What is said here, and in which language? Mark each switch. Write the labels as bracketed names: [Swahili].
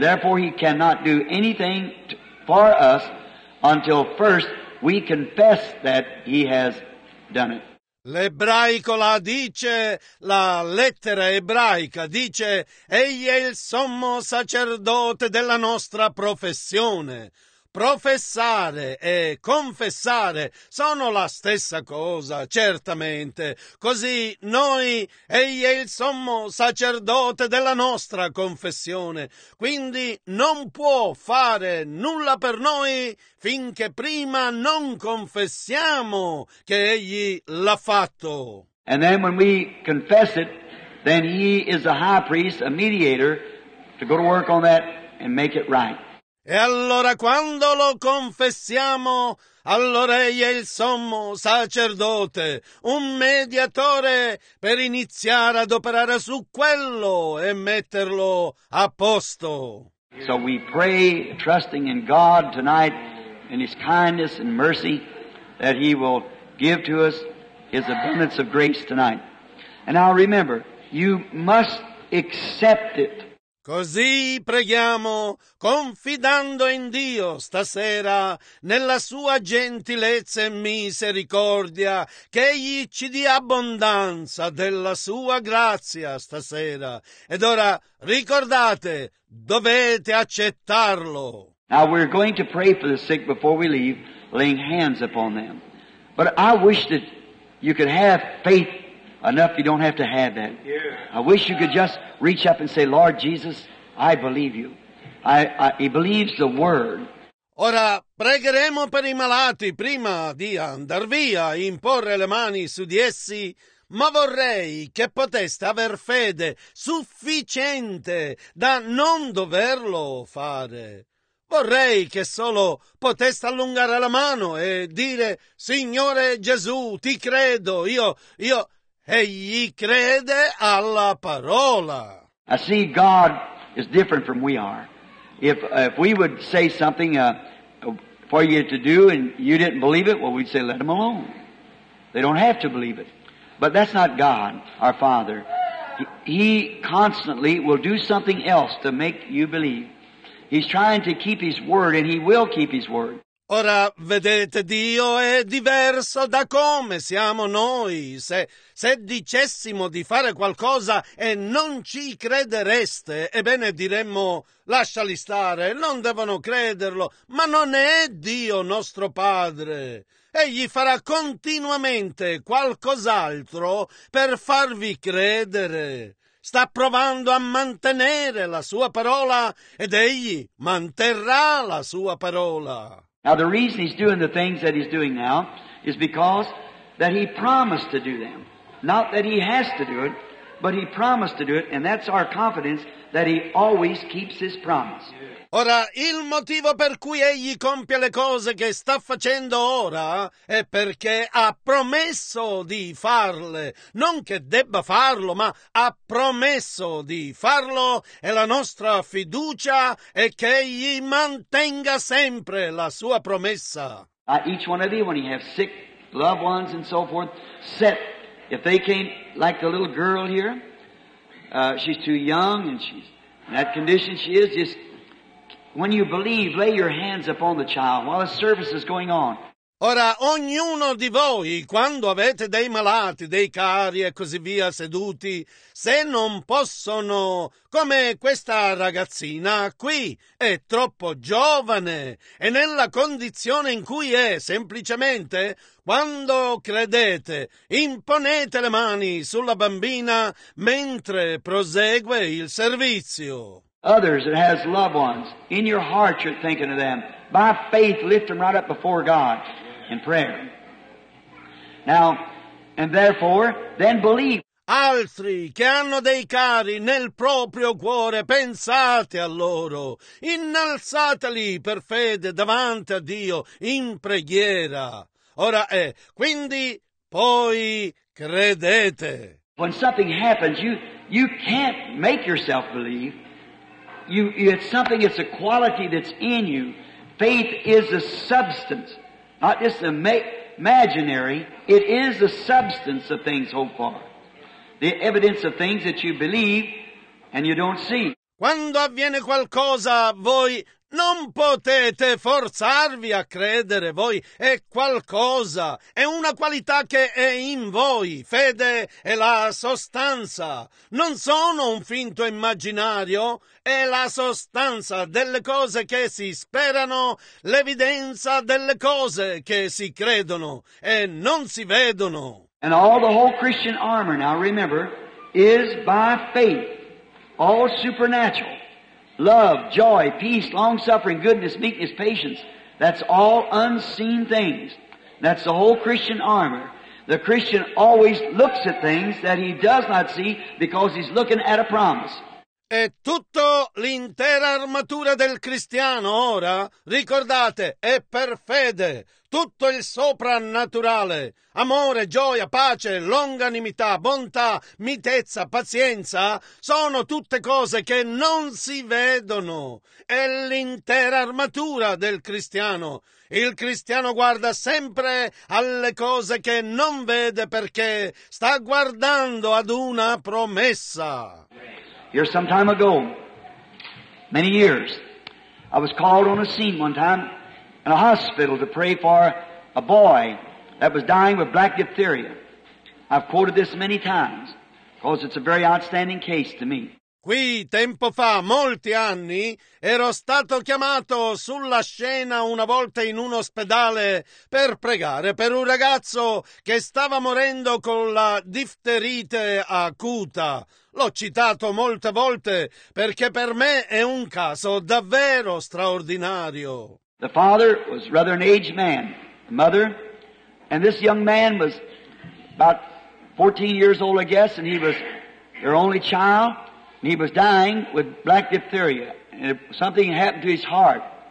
[English] Therefore, he cannot do anything for us until first we confess that he has done it. [Italian] L'ebraico la dice, la lettera ebraica dice, egli è il sommo sacerdote della nostra professione. Professare e confessare sono la stessa cosa, certamente. Così noi, egli è il sommo sacerdote della nostra confessione. Quindi non può fare nulla per noi finché prima non confessiamo che egli l'ha fatto. [English] And then when we confess it, then he is a high priest, a mediator, to go to work on that and make it right. [Italian] E allora quando lo confessiamo, allora egli è il sommo sacerdote, un mediatore per iniziare ad operare su quello e metterlo a posto. [English] So we pray, trusting in God tonight, in His kindness and mercy, that He will give to us His abundance of grace tonight. And now remember, you must accept it. [Italian] Così preghiamo, confidando in Dio stasera, nella sua gentilezza e misericordia, che egli ci dia abbondanza della sua grazia stasera. Ed ora, ricordate, dovete accettarlo. [English] Now we're going to pray for the sick before we leave, laying hands upon them. But I wish that you could have faith enough you don't have to have that. I wish you could just reach up and say, Lord Jesus, I believe you. He believes the word. [Italian] Ora pregheremo per i malati prima di andar via e imporre le mani su di essi, ma vorrei che poteste aver fede sufficiente da non doverlo fare. Vorrei che solo poteste allungare la mano e dire, Signore Gesù, ti credo, io, egli crede alla parola. [English] I see God is different from we are. If we would say something for you to do and you didn't believe it, well, we'd say, let them alone. They don't have to believe it. But that's not God, our Father. He constantly will do something else to make you believe. He's trying to keep his word, and he will keep his word. [Italian] Ora, vedete, Dio è diverso da come siamo noi. Se dicessimo di fare qualcosa e non ci credereste, ebbene diremmo, lasciali stare, non devono crederlo. Ma non è Dio nostro Padre. Egli farà continuamente qualcos'altro per farvi credere. Sta provando a mantenere la sua parola ed egli manterrà la sua parola. [English] Now the reason he's doing the things that he's doing now is because that he promised to do them. Not that he has to do it, but he promised to do it, and that's our confidence that he always keeps his promise. [Italian] Ora, il motivo per cui egli compie le cose che sta facendo ora è perché ha promesso di farle. Non che debba farlo, ma ha promesso di farlo e la nostra fiducia è che egli mantenga sempre la sua promessa. [English] Each one of you, when you have sick loved ones and so forth, set, if they came, like the little girl here, she's too young and she's in that condition she is, just... When you believe, lay your hands upon the child while the service is going on. [Italian] Ora, ognuno di voi, quando avete dei malati, dei cari e così via seduti, se non possono, come questa ragazzina qui, è troppo giovane e nella condizione in cui è, semplicemente, quando credete, imponete le mani sulla bambina mentre prosegue il servizio. [English] Others that has loved ones, in your heart you're thinking of them. By faith, lift them right up before God in prayer. Now, and therefore, then believe. [Italian] Altri che hanno dei cari nel proprio cuore, pensate a loro. Innalzateli per fede davanti a Dio in preghiera. Ora è, quindi, poi credete. [English] When something happens, you can't make yourself believe. It's something, it's a quality that's in you. Faith is a substance, not just imaginary. It is the substance of things hoped for. The evidence of things that you believe and you don't see. [Italian] Quando avviene qualcosa, voi non potete forzarvi a credere. Voi è qualcosa, è una qualità che è in voi. Fede è la sostanza. Non sono un finto immaginario. È la sostanza delle cose che si sperano, l'evidenza delle cose che si credono e non si vedono. [English] And all the whole Christian armor, now remember, is by faith, all supernatural. Love, joy, peace, long-suffering, goodness, meekness, patience. That's all unseen things. That's the whole Christian armor. The Christian always looks at things that he does not see because he's looking at a promise. [Italian] E tutto l'intera armatura del cristiano ora, ricordate, è per fede. Tutto il soprannaturale, amore, gioia, pace, longanimità, bontà, mitezza, pazienza, sono tutte cose che non si vedono. È l'intera armatura del cristiano. Il cristiano guarda sempre alle cose che non vede perché sta guardando ad una promessa. [English] Here some time ago, many years. I was called on a scene one time in a hospital to pray for a boy that was dying with black diphtheria. I've quoted this many times because it's a very outstanding case to me. [Italian] Qui, tempo fa, molti anni, ero stato chiamato sulla scena una volta in un ospedale per pregare per un ragazzo che stava morendo con la difterite acuta. L'ho citato molte volte perché per me è un caso davvero straordinario. [English] The father was rather an aged man, the mother, and this young man was about 14 years old, I guess, and he was their only child. He was dying with black diphtheria. Something happened to his heart.